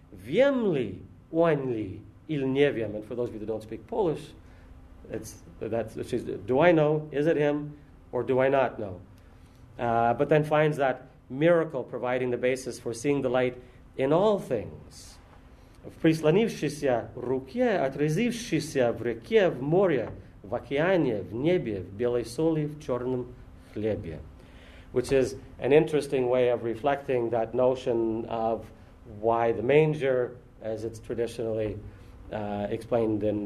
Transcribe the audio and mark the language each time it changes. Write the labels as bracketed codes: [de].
[pl] Wiem li, wan li, il nie wiem. [en] And for those of you that don't speak Polish, she's, do I know, is it him, or do I not know? But then finds that miracle providing the basis for seeing the light in all things. [ru] В прислонившейся руке, отразившейся в реке, в море, в океане, в небе, в белой соли, в черном хлебе. [en] Which is an interesting way of reflecting that notion of why the manger, as it's traditionally explained